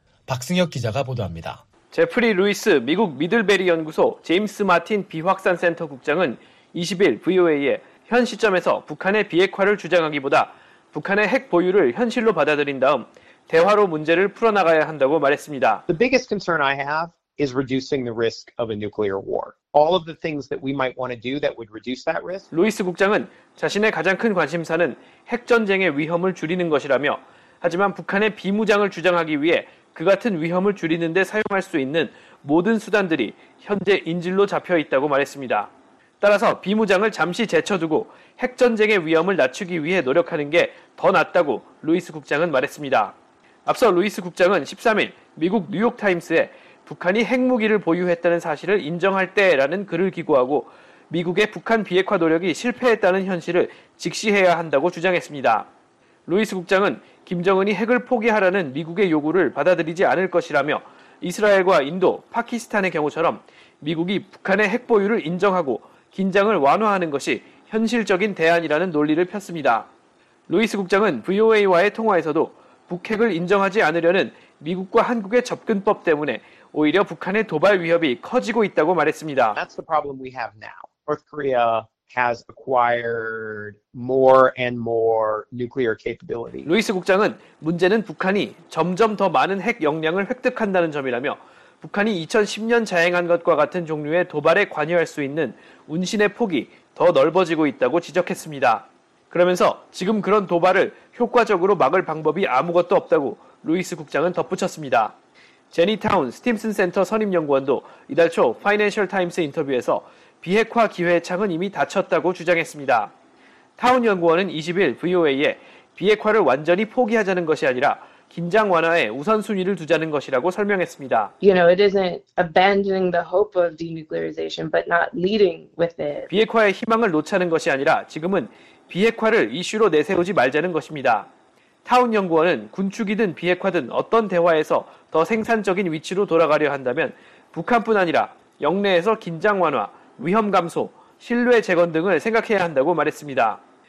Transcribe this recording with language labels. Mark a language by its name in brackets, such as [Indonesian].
[Korean] 박승혁 기자가 보도합니다. 제프리 루이스 미국 미들베리 연구소 제임스 마틴 비확산 센터 국장은 20일 VOA에 현 시점에서 북한의 비핵화를 주장하기보다 북한의 핵 보유를 현실로 받아들인 다음 대화로 문제를 풀어나가야 한다고 말했습니다. [English] The biggest concern I have is reducing the risk of a nuclear war. All of the things that we might want to do that would reduce that risk. [Korean] 루이스 국장은 자신의 가장 큰 관심사는 핵 전쟁의 위험을 줄이는 것이라며 하지만 북한의 비무장을 주장하기 위해 그 같은 위험을 줄이는 데 사용할 수 있는 모든 수단들이 현재 인질로 잡혀 있다고 말했습니다. 따라서 비무장을 잠시 제쳐두고 핵전쟁의 위험을 낮추기 위해 노력하는 게 더 낫다고 루이스 국장은 말했습니다. 앞서 루이스 국장은 13일 미국 뉴욕타임스에 북한이 핵무기를 보유했다는 사실을 인정할 때라는 글을 기고하고 미국의 북한 비핵화 노력이 실패했다는 현실을 직시해야 한다고 주장했습니다. 루이스 국장은 김정은이 핵을 포기하라는 미국의 요구를 받아들이지 않을 것이라며 이스라엘과 인도, 파키스탄의 경우처럼 미국이 북한의 핵 보유를 인정하고 긴장을 완화하는 것이 현실적인 대안이라는 논리를 폈습니다. 루이스 국장은 VOA와의 통화에서도 북핵을 인정하지 않으려는 미국과 한국의 접근법 때문에 오히려 북한의 도발 위협이 커지고 있다고 말했습니다. [English] That's the problem we have now. North Korea has acquired more and more nuclear capability. [Korean] 루이스 국장은 문제는 북한이 점점 더 많은 핵 역량을 획득한다는 점이라며 북한이 2010년 자행한 것과 같은 종류의 도발에 관여할 수 있는 운신의 폭이 더 넓어지고 있다고 지적했습니다. 그러면서 지금 그런 도발을 효과적으로 막을 방법이 아무것도 없다고 루이스 국장은 덧붙였습니다. 제니타운 스팀슨 센터 선임연구원도 이달 초 파이낸셜 타임스 인터뷰에서 비핵화 기회창은 이미 닫혔다고 주장했습니다. 타운 연구원은 20일 VOA에 비핵화를 완전히 포기하자는 것이 아니라 긴장 완화에 우선순위를 두자는 것이라고 설명했습니다. [English] You know, it isn't abandoning the hope of denuclearization, but not leading with it. [Korean] 비핵화의 희망을 놓자는 것이 아니라 지금은 비핵화를 이슈로 내세우지 말자는 것입니다. 타운 연구원은 군축이든 비핵화든 어떤 대화에서 더 생산적인 위치로 돌아가려 한다면 북한뿐 아니라 영내에서 긴장 완화, 위험 감소, 신뢰 재건 등을 생각해야 한다고 말했습니다.